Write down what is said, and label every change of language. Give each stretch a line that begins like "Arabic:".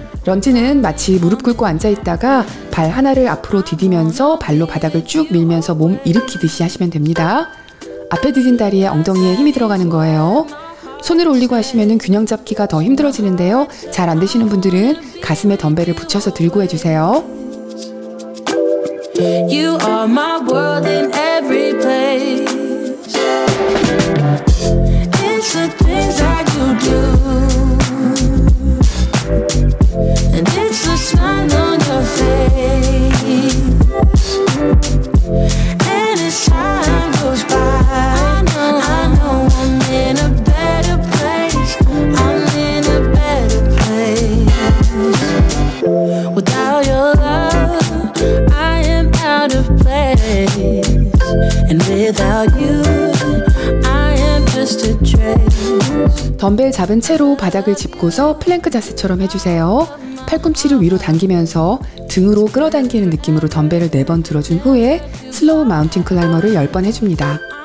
Korean: 런지는 마치 무릎 꿇고 앉아있다가 발 하나를 앞으로 디디면서 발로 바닥을 쭉 밀면서 몸 일으키듯이 하시면 됩니다. 앞에 디딘 다리에 엉덩이에 힘이 들어가는 거예요. 손을 올리고 하시면 균형 잡기가 더 힘들어지는데요. 잘 안 되시는 분들은 가슴에 덤벨을 붙여서 들고 해주세요.
English: You are my world in every place. It's the things that you do. And it's the smile on your face. And as time goes by, I know I'm in a better place. I'm in a better place. Without your love, I am out of place. And without you,
Korean: 덤벨 잡은 채로 바닥을 짚고서 플랭크 자세처럼 해주세요. 팔꿈치를 위로 당기면서 등으로 끌어당기는 느낌으로 덤벨을 4번 들어준 후에 슬로우 마운틴 클라이머를 10번 해줍니다.